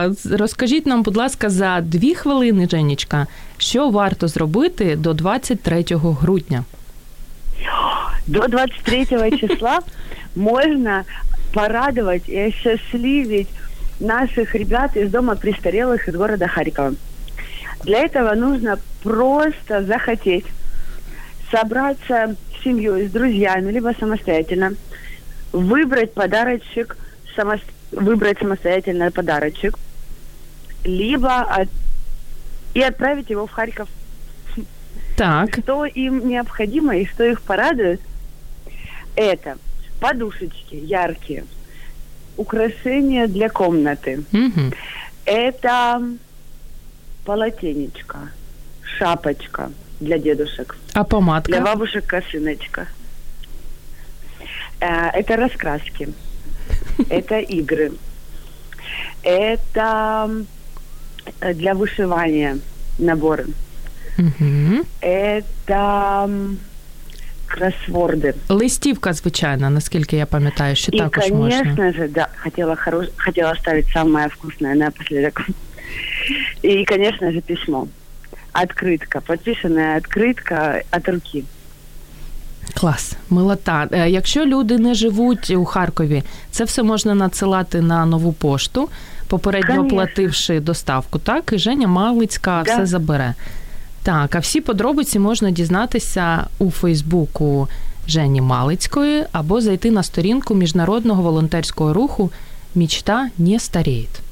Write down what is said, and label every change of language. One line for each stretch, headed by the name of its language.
Ukrainian: Розкажіть нам, будь ласка, за 2 хвилини, Женечка, що варто зробити до 23 грудня? До 23 числа можна порадувати і щасливить наших ребят із дому престарелих з міста Харкова.
Russian: Для этого нужно просто захотеть собраться с семьей, с друзьями, либо самостоятельно, выбрать самостоятельно подарочек, и отправить его в Харьков. Так. Что им необходимо и что их порадует, это подушечки яркие, украшения для комнаты. Mm-hmm. Это... полотенечко, шапочка для дедушек. А помадка? Для бабушек косыночка. Это раскраски. Это игры. Это для вышивания наборы. Это кроссворды.
Ukrainian: Листівка, звичайно, наскільки я пам'ятаю, що так уж можна.
Russian: І, конечно же, да, хотела ставить самое вкусное напоследок. И, конечно же, письмо. Открытка, подписанная открытка от руки.
Ukrainian: Клас, милота. Якщо люди не живуть у Харкові, це все можна надсилати на нову пошту, попередньо, оплативши доставку, так? І Женя Малицька,
Russian: да,
Ukrainian: все забере. Так, а всі подробиці можна дізнатися у Фейсбуку Жені Малицької або зайти на сторінку міжнародного волонтерського руху «Мічта не старіє».